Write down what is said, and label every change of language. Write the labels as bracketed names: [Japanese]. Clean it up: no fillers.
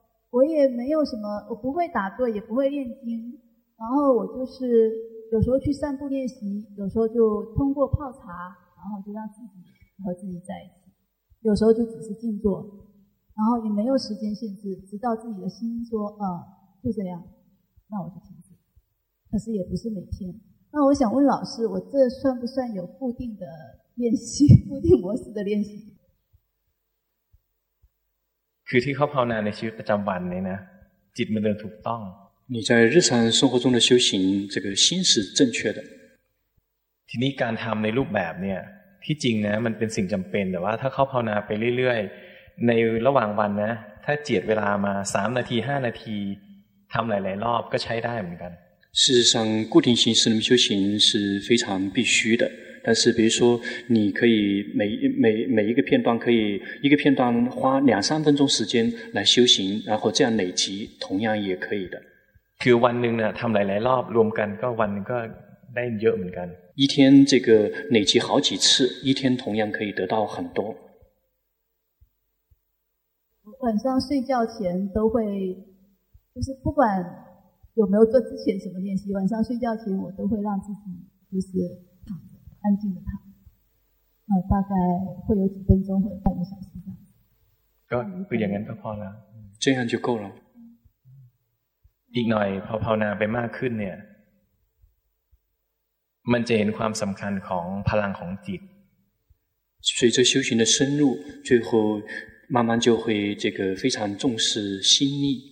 [Chinese] 我也没有什么我不会打坐也不会念经然后我就是有时候去散步练习有时候就通过泡茶然后就让自己和自己在一起有时候就只是静坐然后也没有时间限制直到自己的心说就这样那我就停止可是也不是每天那我想问老师我这算不算有固定的练习固定模式的练习 [Thai] คือที่เขาภาวนาในชีวิตประจําวันเนี่ยนะจิตมันเดินถูกต้อง [Chinese] 你在日常生活中的修行这个心是正确的 [Thai] ทีนี้การทําในรูปแบบเนี่ยที่จริงนะมันเป็นสิ่งจําเป็นแต่ว่าถ้าเขาภาวนาไปเรื่อยๆในระหว่างวันนะถ้าเจียดเวลามา3นาที5นาทีทำหลายๆรอบก็ใช้ได้เหมือนกัน [Chinese] 事实上固定形式的修行是非常必须的但是比如说你可以每一个片段可以一个片段花两三分钟时间来修行然后这样累积同样也可以的 [Thai] คือวันหนึ่งเนี่ยทำหลายๆรอบรวมกันก็วันหนึ่งก็ได้เยอะเหมือนกัน [Chinese] 一天这个累积好几次一天同样可以得到很多晚上睡觉前都会就是不管有没有做之前什么练习晚上睡觉前我都会让自己就是躺着安静的躺大概会有几分钟或半个小时这样 [Thai] ก็คืออย่างนั้นก็พอแล้ว [Chinese] 这样就够了 [Thai] อีกหน่อยพอภาวนาไปมากขึ้นเนี่ยมันจะเห็นความสำคัญของพลังของจิต [Chinese] 随着修行的深入最后慢慢就会这个非常重视心力